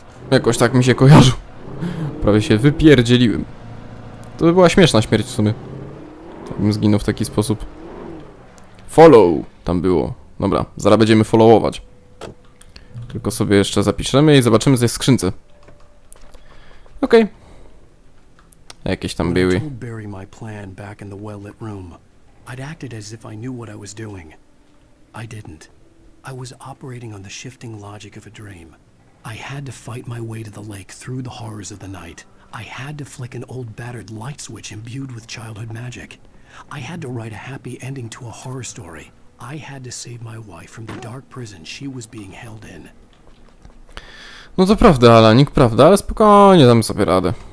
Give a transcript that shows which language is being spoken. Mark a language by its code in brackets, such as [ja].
[pl] Jakoś tak mi się kojarzył. Prawie się wypierdzieliłem. To by była śmieszna śmierć w sumie. Jakbym zginął w taki sposób. Follow tam było. Dobra, zaraz będziemy followować. Tylko sobie jeszcze zapiszemy i zobaczymy, co jest w skrzynce. Okej. Okay. Jakieś tam były. [en] Barry my plan back in the well-lit room. I'd acted as if I knew what I was doing. I didn't. I was operating on the shifting logic of a dream. I had to fight my way to the lake through the horrors of the night. I had to flick an old battered light switch imbued with childhood magic. I had to write a happy ending to a horror story. I had to save my wife from the dark prison she was being held in. [pl] No to prawda, Alanik, prawda, ale spokojnie, damy sobie radę.